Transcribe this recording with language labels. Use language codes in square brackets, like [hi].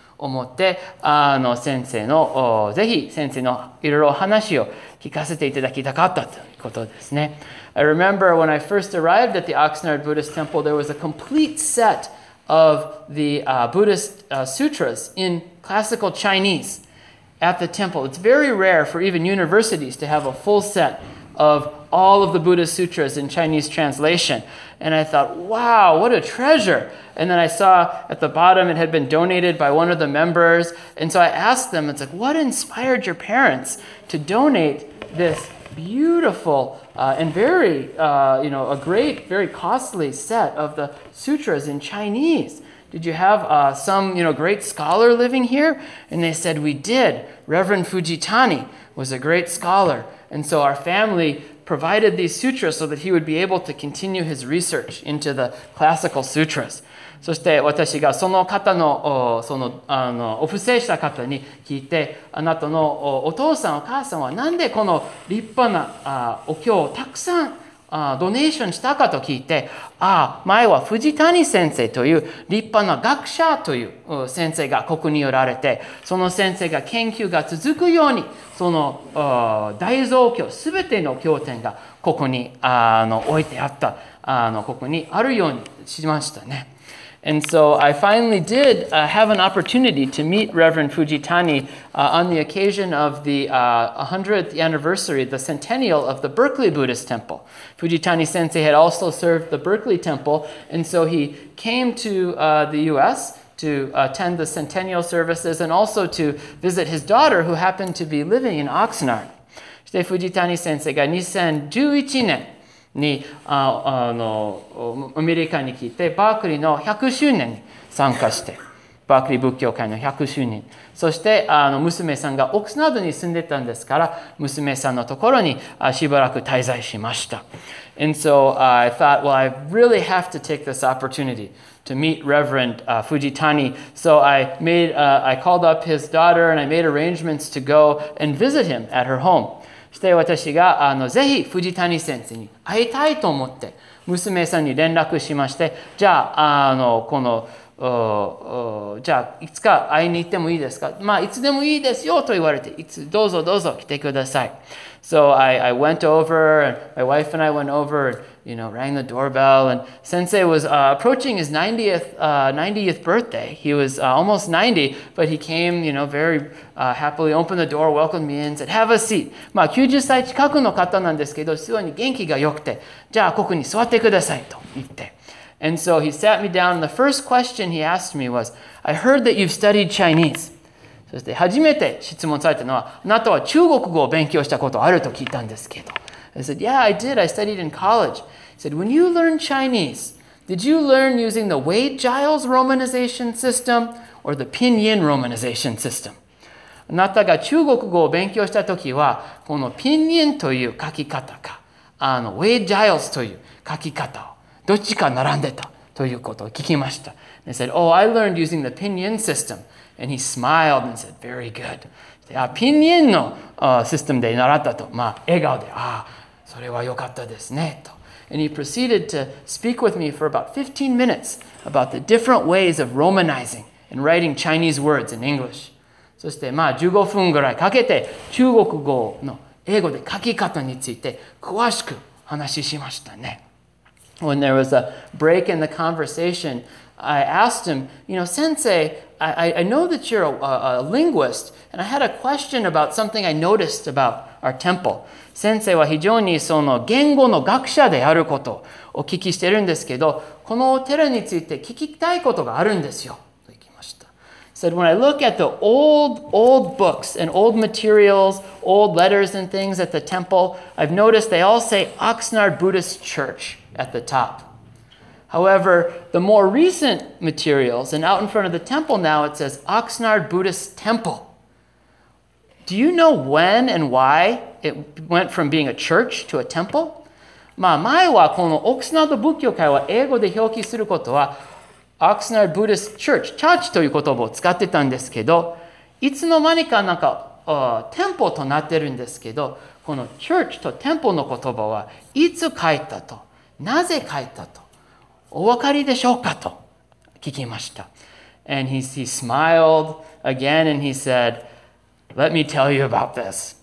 [ja] 思って、先生のぜひ先生のいろいろ話を聞かせていただきたかったということですね。 [en] I remember when I first arrived at the Oxnard Buddhist Temple, there was a complete set of the Buddhist sutras in classical Chinese at the temple. It's very rare for even universities to have a full set of all of the Buddhist sutras in Chinese translation. And I thought, wow, what a treasure. And then I saw at the bottom it had been donated by one of the members. And so I asked them, it's like, what inspired your parents to donate this beautiful and very, you know, a great, very costly set of the sutras in Chinese? Did you have some, you know, great scholar living here? And they said, we did. Reverend Fujitani was a great scholar. And so our family provided these sutras so that he would be able to continue his research into the classical sutras. [ja] そして私がその方の、その、お布施した方に聞いて、あなたのお父さん、お母さんはなんでこの立派なお経をたくさんドネーションしたかと聞いて、ああ、前は藤谷先生という立派な学者という先生がここにおられて、その先生が研究が続くように、その大蔵経すべての経典がここに置いてあった、ここにあるようにしましたね。 [en] And so I finally did have an opportunity to meet Reverend Fujitani on the occasion of the 100th anniversary, the centennial of the Berkeley Buddhist Temple. Fujitani sensei had also served the Berkeley Temple, and so he came to the U.S. to attend the centennial services and also to visit his daughter who happened to be living in Oxnard. [ja] そして Fujitani sensei が2011年にアメリカに来て、バークリーの100周年に参加して、バークリー仏教会の100周年。そして娘さんがオクスナードに住んでたんですから、娘さんのところにしばらく滞在しました。 [en] And so I thought, well, I really have to take this opportunity to meet Reverend Fujitani. So I called up his daughter and I made arrangements to go and visit him at her home. [ja] そして私がぜひ藤谷先生に会いたいと思って娘さんに連絡しまして、じゃあこのじゃあいつか会いに行ってもいいですか、まあいつでもいいですよと言われて、いつどうぞどうぞ来てください。 [en] So I went over and my wife and I went over and, you know, rang the doorbell, and sensei was approaching his 90th birthday. He was almost 90, but he came, you know, very happily, opened the door, welcomed me in, said, have a seat. [ja] まあ90歳近くの方なんですけど、すごい元気が良くて、じゃあここに座ってくださいと言って、 [en] And so he sat me down, and the first question he asked me was, I heard that you've studied Chinese. [ja] そして初めて質問されたのは、あなたは中国語を勉強したことあると聞いたんですけど。 [en] I said, yeah, I did. I studied in college. He said, when you learn Chinese, did you learn using the Wade-Giles romanization system or the Pinyin romanization system? [ja] あなたが中国語を勉強したときは、この Pinyin という書き方か、Wade-Giles という書き方を、どっちか並んでたということを聞きました。 [en] He said, oh, I learned using the Pinyin system. And he smiled and said, very good. [ja] Pinyin のシステムで習ったと、まあ、笑顔で、ああ、それは良かったですね、と。 [en] And he proceeded to speak with me for about 15 minutes about the different ways of romanizing and writing Chinese words in English. [ja] そして、まあ、15分ぐらいかけて、中国語の英語で書き方について詳しく話しましたね。 [en] When there was a break in the conversation, I asked him, you know, Sensei, I know that you're a linguist, and I had a question about something I noticed about our temple. [ja] 先生は非常にその言語の学者であることをお聞きしてるんですけど、このお寺について聞きたいことがあるんですよ。と言いました。 [en] Said, when I look at the old books and old materials, old letters and things at the temple, I've noticed they all say Oxnard Buddhist Church at the top. However, the more recent materials, and out in front of the temple now, it says Oxnard Buddhist Temple. Do you know when and why it went from being a church to a temple? [ja] まあ前はこのオクスナード仏教会は英語で表記することは Oxnard Buddhist Church, church という言葉を使ってたんですけど、いつの間にかなんか、temple となってるんですけど、この church と temple の言葉はいつ書いたと、なぜ書いたと。お分かりでしょうかと聞きました。 [en] And he smiled again and he said, let me tell you about this.